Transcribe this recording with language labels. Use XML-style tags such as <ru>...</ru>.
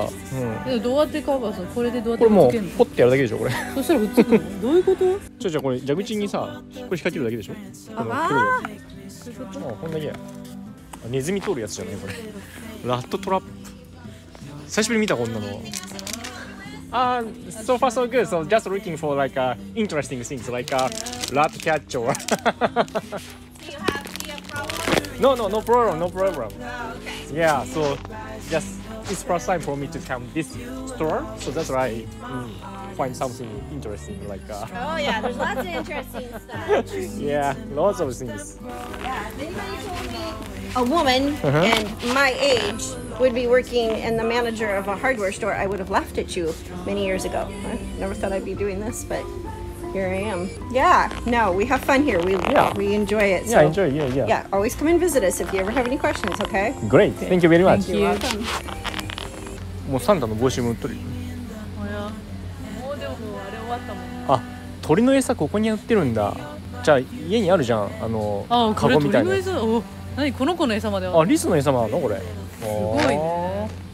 <ja>うん、でもどうやってカバーさ、これでどうやってつけるの？これもうポッてやるだけでしょ、これ。そしたらくっつくの？どういうこと？じゃあこれ蛇口にさ、これ引っ掛けるだけでしょ？あ、こういうこと？あ、こんだけや。ネズミ通るやつじゃない、これ。ラットトラップ。久しぶりに見た、こんなの。</ja> <en>So far so good. So just looking for like interesting things like rat catcher. Do you have the problem? No, no, no problem, no problem. Oh, okay. Yeah, so just it's first time for me to come this store. So that's why I find something interesting like. Oh yeah, there's lots of interesting stuff. Yeah, lots of things. Yeah, anybody told me a woman and my age would be working in the manager of a hardware store, I would have laughed at you many years ago. I never thought I'd be doing this, but here I am. Yeah, no, we have fun here. We enjoy it. Yeah, so, enjoy it. Yeah, yeah. Yeah, always come and visit us if you ever have any questions, okay? Great. Okay. Thank you very much. You're welcome.</en> <ja>もうサンタの帽子も売ってる。もうでももうあれ終わったもん。あ、鳥の餌ここに売ってるんだ。じゃあ家にあるじゃん、あの、あ、カゴみたいな。何この子の餌まで。あ、リスの餌なのこれ。すごいね。</ja>